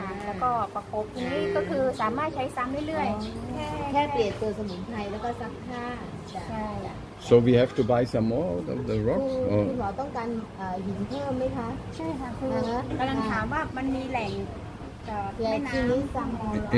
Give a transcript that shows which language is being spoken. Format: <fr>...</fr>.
<th>แล้วก็ประคบนี่ก็คือสามารถใช้ซ้ำเรื่อยๆ แค่เปลี่ยนตัวสมุนไพรแล้วก็ซักผ้า ใช่</th> <en>so we have to buy some more of the rocks</en> <th>คุณหมอต้องการหินเพิ่มไหมคะ ใช่ค่ะคือกำลังถามว่ามันมีแหล่งแม่น้ำ</th>